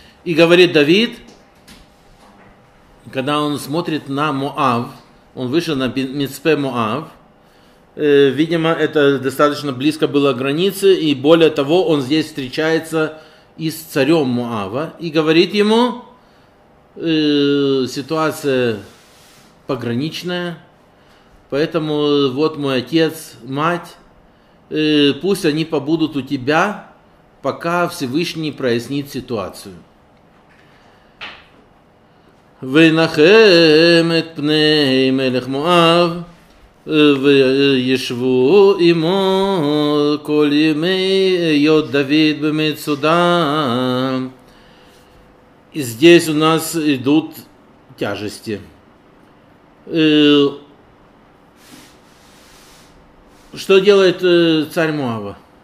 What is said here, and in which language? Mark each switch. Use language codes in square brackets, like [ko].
[ru] И говорит Давид, когда он смотрит на Моав, он вышел на мицпе Моав, видимо, это достаточно близко было к границе, и более того, он здесь встречается и с царем Моава, и говорит ему, ситуация пограничная, поэтому вот мой отец, мать, пусть они побудут у тебя, пока Всевышний прояснит ситуацию. [he] Вейнахем эт пней мелех Моав, וישבו עמו כל ימי היות דוד במצודה. [ru] Здесь у нас идут тяжести. Что делает царь Моава?